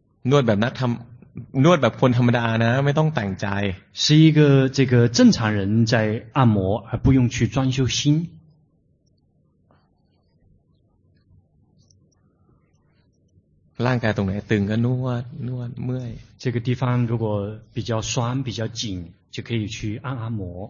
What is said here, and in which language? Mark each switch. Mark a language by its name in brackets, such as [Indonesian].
[Thai] นวดแบบนักทำนวดแบบคนธรรมดานะไม่ต้องแต่งใจ [Chinese] 是一个这个正常人在按摩而不用去装修心 [Thai] ร่างกายตรงไหนตึงก็นวดเมื่อย [Chinese] 这个地方如果比较酸比较紧就可以去按按摩